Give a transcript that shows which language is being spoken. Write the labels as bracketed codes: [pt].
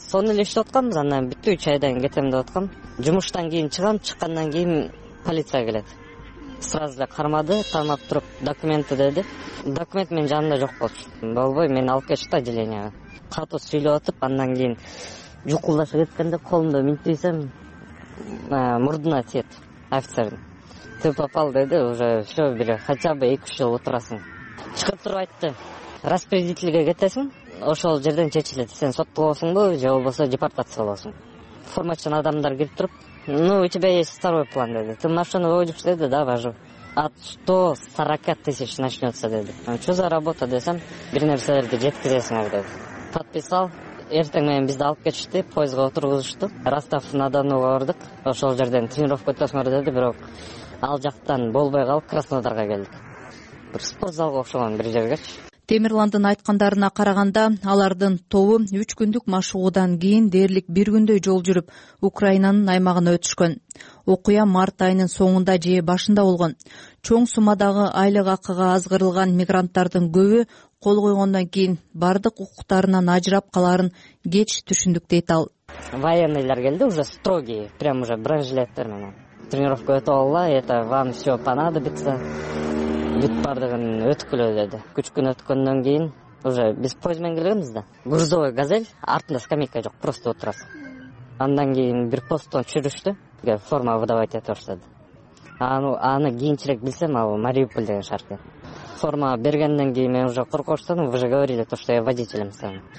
[ky] Сонун эле иштеп атканбыз, анан бүтү 3 айдан кетем деп аткам. Жумуштан кийин чыгам, чыккандан кийин полиция келет. Сразу эле кармады, тамап туруп документи деди. Документ менин жанымда жок болчу. Болбой, мен алып кетчү да отделенияга. Катуу сүйлөп атып, андан кийин жукулдаша кеткенде колумду минтийсем мурдуна тиет офицердин. [ru] Ты попал [ky] деди, [ru] уже все [ky] бир [ru] хотя бы [ky] 2-3 жыл отурасың. Чыгып туруп айтты. Распределительге кетесиң, ошол жерден чечилет. Сен соттолосуңбу же болбосо депортация болосуң. Формачтан адамдар кирип туруп, [ru] ну у тебя есть второй план [ky] деди. [ru] Ты машину водишь [ky] деди, [ru] да, вожу. От 140 тысяч начнется [ky] деди. [ru] Что за работа [ky] десем, бир нерселерди жеткизесиңер деди. [ru] Подписал. [ky] Эртең менен бизди алып кетишти, поездга отургузушту. Ростов-на-Донуга бардык. Ошол жерден тренировка өтөсүңөр деди, бирок ал жактан болбой калып Краснодарга келдик. Бир спортзалга окшогон бир жергечи. Темирландын айткандарына караганда, алардын тобу 3 күндүк машыгуудан кийин дээрлик бир күндөй жол жүрүп, Украинанын аймагына өтүшкөн. Окуя март айынын соңунда же башында болгон. Чоң суммадагы айлык акыга азгырылган мигранттардын көбү кол койгондон кийин бардык укуктарынан ажырап каларын кеч түшүндүк дейт ал. Военныйлар келди, [ru] уже строгие, прям уже [ky] бронежилеттер менен. Тренировка өтүп алла, [ru] это вам все понадобится. [ky] Бүт бардыгын өткүлө деди. 3 күн өткөндөн кийин уже биз поезд менен келгенбиз да. Грузовой газель, артында скамейка жок, просто отурасың. Андан кийин бир посттон түшүрүштү, [ru] форма выдавать [ky] эте баштады. Аны кийинчерээк билсем, ал Мариуполь деген шаар экен. Форма бергенден кийин мен уже коркоштум, [ru] вы же говорили то, что я водителем стану.